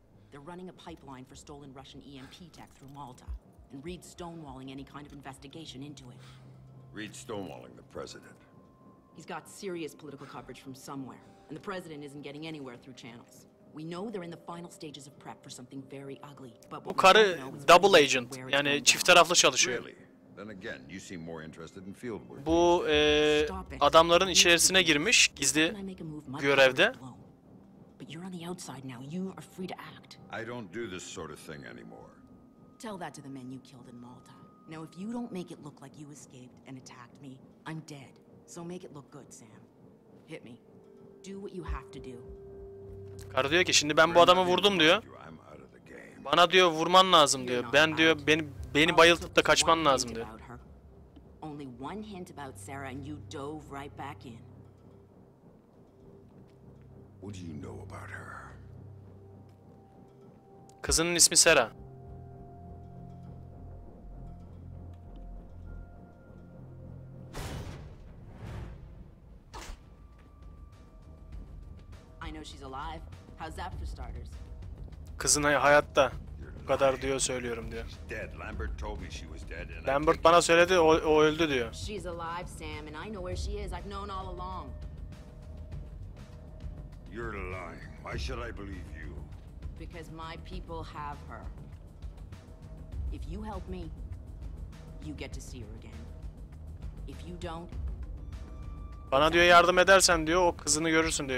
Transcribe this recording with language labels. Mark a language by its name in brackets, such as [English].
[English] They're running a pipeline for stolen Russian EMP tech through Malta, and Reed's stonewalling any kind of investigation into it. Reed's stonewalling the president. He's got serious political coverage from somewhere, and the president isn't getting anywhere through channels. We know they're in the final stages of prep for something very ugly. But [Turkish] bu karı double agent, yani çift taraflı çalışıyor. [English] Really? Then again, you seem more interested in field work. [Turkish] Bu adamların içerisine girmiş gizli görevde. [English] But you're on the outside now. You are free to act. I don't do this sort of thing anymore. Tell that to the men you killed in Malta. Now if you don't make it look like you escaped and attacked me, I'm dead. So make it look good, Sam. Hit me. Do what you have to do. [Turkish] Karı diyor ki şimdi ben bu adamı vurdum diyor. Bana diyor vurman lazım diyor. Ben diyor beni bayıltıp da kaçman lazım diyor. [English] Only one hint about Sarah and you dove right back in. What do you know about her? [Turkish] Kızının ismi Sarah. [English] know she's alive. How's that for starters? [Turkish] Kızın hayatta. Bu kadar diyor, söylüyorum diyor. [English] Lambert told me she was dead. [Turkish] Lambert bana söyledi, o öldü diyor. [English] She's alive, Sam, and I know where she is. I've known all along. You're lying. Why should I believe you? Because my people have her. If you help me, you get to see her again. If you don't, [Turkish] bana diyor yardım edersen diyor o kızını görürsün diyor.